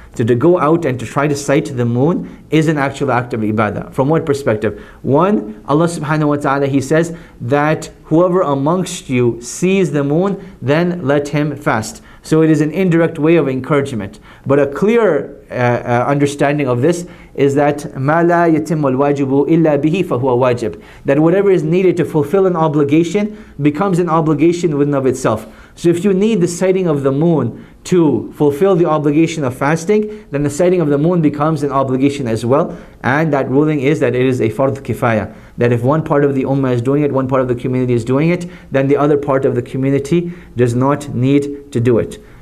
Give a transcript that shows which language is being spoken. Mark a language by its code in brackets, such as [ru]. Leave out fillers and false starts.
[en] So to go out and to try to sight the moon is an actual act of ibadah. From what perspective? One, Allah subhanahu wa ta'ala, He says that whoever amongst you sees the moon, then let him fast. So it is an indirect way of encouragement. But a clear understanding of this is that [ar] ما لا يتم الواجب إلا به فهو واجب. [en] That whatever is needed to fulfill an obligation becomes an obligation within of itself. So if you need the sighting of the moon to fulfill the obligation of fasting, then the sighting of the moon becomes an obligation as well. And that ruling is that it is a fard kifaya. That if one part of the ummah is doing it, one part of the community is doing it, then the other part of the community does not need to do it.